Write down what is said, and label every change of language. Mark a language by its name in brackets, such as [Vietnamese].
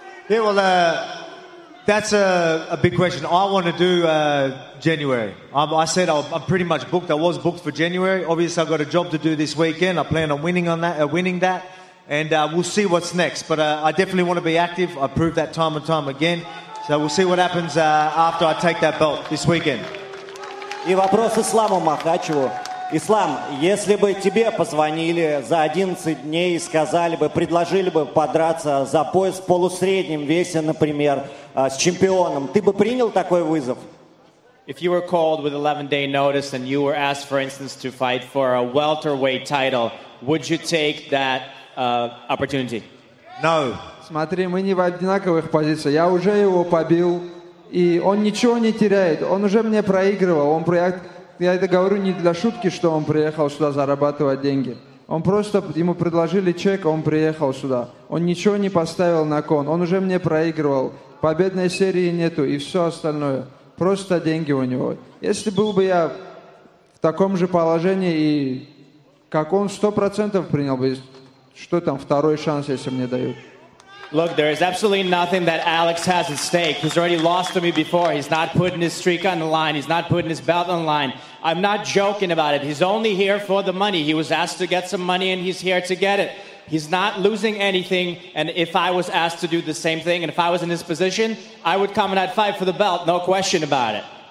[English] Yeah, well, that's a big question. I want to do January. I'm pretty much booked. I was booked for January. Obviously, I've got a job to do this weekend. I plan on winning that, and we'll see what's next. But I definitely want to be active. I proved that time and time again. So we'll see what happens after I take that belt this weekend. [Russian] И вопрос Исламу Махачеву. Ислам, если бы тебе позвонили за 11 дней и сказали бы, предложили бы подраться за пояс в полусреднем весе, например, с чемпионом, ты бы принял такой вызов? [English] If you were called with 11-day notice and you were asked, for instance, to fight for a welterweight title, would you take that opportunity? No. It's [Russian] Смотри, мы не в одинаковых позициях. Я уже его побил, и он ничего не теряет. Он уже мне проигрывал. Он я это говорю не для шутки, что он приехал сюда зарабатывать деньги. Он просто, ему предложили чек, он приехал сюда. Он ничего не поставил на кон. Он уже мне проигрывал. Победной серии нету и все остальное. Просто деньги у него. Если был бы я в таком же положении, и как он, 100% принял бы. Что там, второй шанс, если мне дают. [English] Look, there is absolutely nothing that Alex has at stake. He's already lost to me before. He's not putting his streak on the line. He's not putting his belt on the line. I'm not joking about it. He's only here for the money. He was asked to get some money, and he's here to get it. He's not losing anything, and if I was asked to do the same thing, and if I was in his position, I would come and I'd fight for the belt, no question about it.